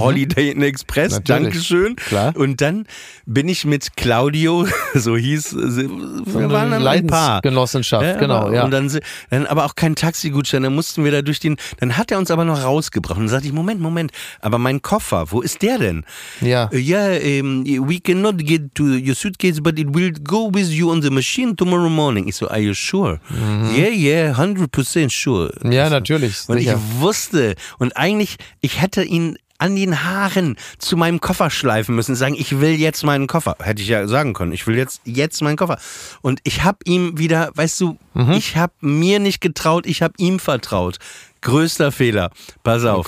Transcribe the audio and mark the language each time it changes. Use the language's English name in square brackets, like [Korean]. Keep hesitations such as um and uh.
[German] Holiday Inn Express, natürlich. Dankeschön. Klar. Und dann bin ich mit Claudio, so hieß, so wir waren dann Leidens ein Paar. Genossenschaft, ja, genau. Aber, ja. Und dann, dann, aber auch kein Taxigutschein, dann mussten wir da durch den, dann hat er uns aber noch rausgebracht und dann sagte ich, Moment, Moment, aber mein Koffer, wo ist der denn? Ja. [English] Ja, uh, yeah, um, we cannot get to your suitcase, but it will go with you on the machine tomorrow morning. [German] Ich so, [English] are you sure? Mhm. Yeah, yeah, 100% sure. [German] Ja, yeah, natürlich. Und nicht, ich ja. wusste, und eigentlich, ich hätte ihn an den Haaren zu meinem Koffer schleifen müssen, sagen, ich will jetzt meinen Koffer. Hätte ich ja sagen können, ich will jetzt, jetzt meinen Koffer. Und ich habe ihm wieder, weißt du, mhm. ich habe mir nicht getraut, ich habe ihm vertraut. Größter Fehler. Pass auf.